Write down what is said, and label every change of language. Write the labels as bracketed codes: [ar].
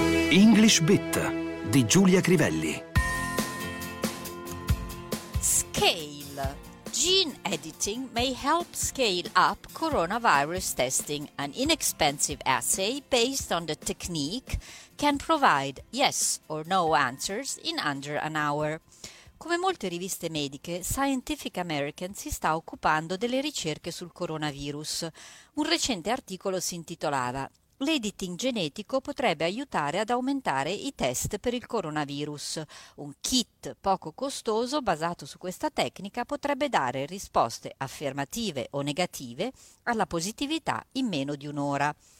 [it] English Bit di Giulia Crivelli. [en] Scale. Gene editing may help scale up coronavirus testing. An inexpensive assay based on the technique can provide yes or no answers in under an hour. [it] Come molte riviste mediche, Scientific American si sta occupando delle ricerche sul coronavirus. Un recente articolo si intitolava «L'editing genetico potrebbe aiutare ad aumentare i test per il coronavirus. Un kit poco costoso basato su questa tecnica potrebbe dare risposte affermative o negative alla positività in meno di un'ora».